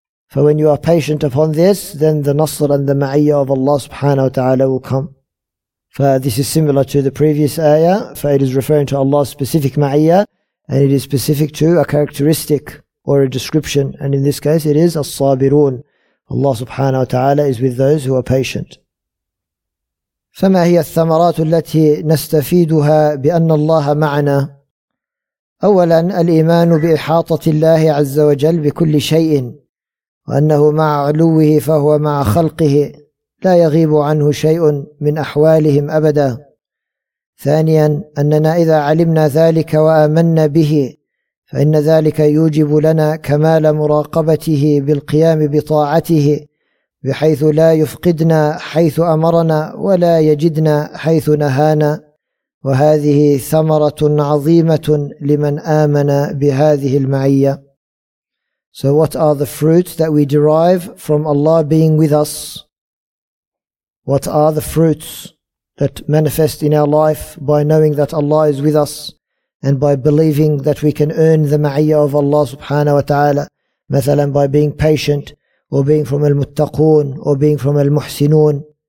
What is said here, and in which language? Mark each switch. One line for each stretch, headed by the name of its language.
English: For when you are patient upon this, then the nasr and the ma'iyyah of Allah subhanahu wa ta'ala will come. This is similar to the previous ayah, for it is referring to Allah's specific ma'iyyah, and it is specific to a characteristic or a description, and in this case it is as-sabirun. Allah subhanahu wa ta'ala is with those who are patient.
Arabic: فما هي الثمرات التي نستفيدها بأن الله معنا؟ أولا الإيمان بإحاطة الله عز وجل بكل شيء، وأنه مع علوه فهو مع خلقه، لا يغيب عنه شيء من أحوالهم أبدا. ثانيا أننا إذا علمنا ذلك وآمنا به، فإن ذلك يوجب لنا كمال مراقبته بالقيام بطاعته، بحيث لا يفقدنا حيث أمرنا ولا يجدنا حيث نهانا، وهذه ثمرة عظيمة لمن آمن بهذه المعية.
English: So what are the fruits that we derive from Allah being with us? What are the fruits that manifest in our life by knowing that Allah is with us and by believing that we can earn the ma'iyya of Allah subhanahu wa ta'ala, مثلاً by being patient, or being from al-muttaqoon, or being from al-muhsinoon?